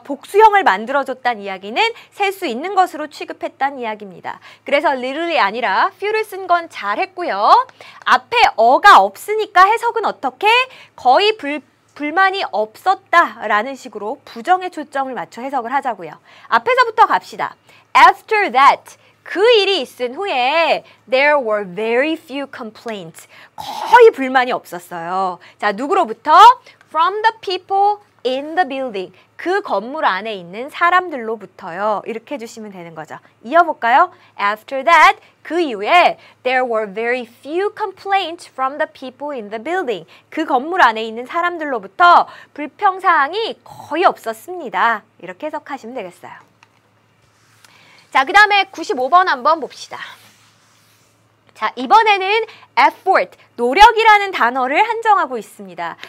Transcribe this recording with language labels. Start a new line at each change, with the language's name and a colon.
Korean: 복수형을 만들어줬다는 이야기는 셀 수 있는 것으로 취급했다는 이야기입니다. 그래서 little이 아니라 few를 쓴 건 잘했고요. 앞에 어가 없으니까 해석은 어떻게? 거의 불만이 없었다라는 식으로 부정의 초점을 맞춰 해석을 하자고요. 앞에서부터 갑시다.
English: After that,
Korean: 그 일이 있은 후에
English: there were very few complaints.
Korean: 거의 불만이 없었어요. 자, 누구로부터?
English: From the people in the building.
Korean: 그 건물 안에 있는 사람들로부터요. 이렇게 해주시면 되는 거죠. 이어볼까요?
English: After that,
Korean: 그 이후에
English: there were very few complaints from the people in the building.
Korean: 그 건물 안에 있는 사람들로부터 불평사항이 거의 없었습니다. 이렇게 해석하시면 되겠어요. 자, 그 다음에 95번 한번 봅시다. 자, 이번에는 effort, 노력이라는 단어를 한정하고 있습니다.